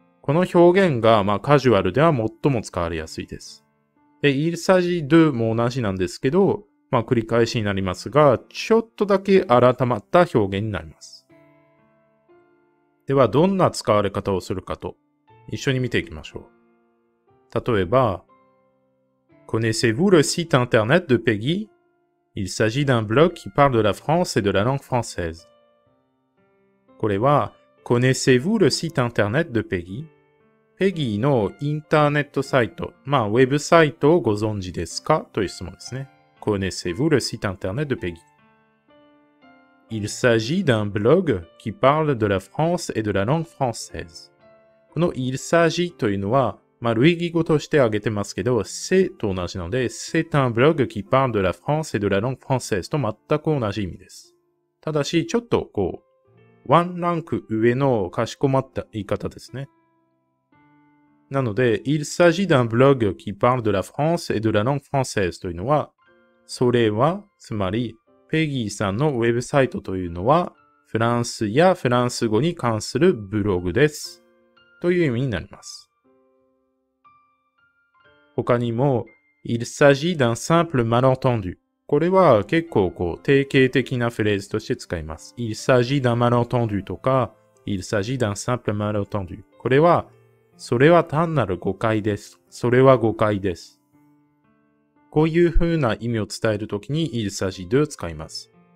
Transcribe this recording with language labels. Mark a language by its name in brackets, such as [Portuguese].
[Japanese] この表現が、まあ、カジュアルでは最も使われやすいです。で、il s'agit de も同じなんですけど、まあ、繰り返しになりますが、ちょっとだけ改まった表現になります。では、どんな使われ方をするかと、一緒に見ていきましょう。 [French] 例えば、connaissez-vous le site internet de Peggy? Il s'agit d'un blog qui parle de la France et de la langue française. [Japanese] これは、 [French] connaissez-vous le site internet de Peggy? [Japanese] Peggy のインターネットサイト、まあ、ウェブサイトをご存知ですかという質問ですね。 [French] connaissez-vous le site internet de Peggy? Il s'agit d'un blog qui parle de la France et de la langue française. [Japanese] この il s'agit というのは、まあ、類義語として挙げてますけど、c'est と同じなので、 [French] c'est un blog qui parle de la France et de la langue française [Japanese] と全く同じ意味です。ただし、ちょっとこう、ワンランク上のかしこまった言い方ですね。なので、 [French] il s'agit d'un blog qui parle de la France et de la langue française [Japanese] というのは、それは、つまり、ペギーさんのウェブサイトというのは、フランスやフランス語に関するブログです。という意味になります。他にも、 [French] Il s'agit d'un simple malentendu。 [Japanese] これは結構こう定型的なフレーズとして使います。 [French] Il s'agit d'un malentendu [Japanese] とか、 [French] Il s'agit d'un simple malentendu。 [Japanese] これは、それは単なる誤解です。それは誤解です。こういう風な意味を伝えるときに、Il s'agit de を使います。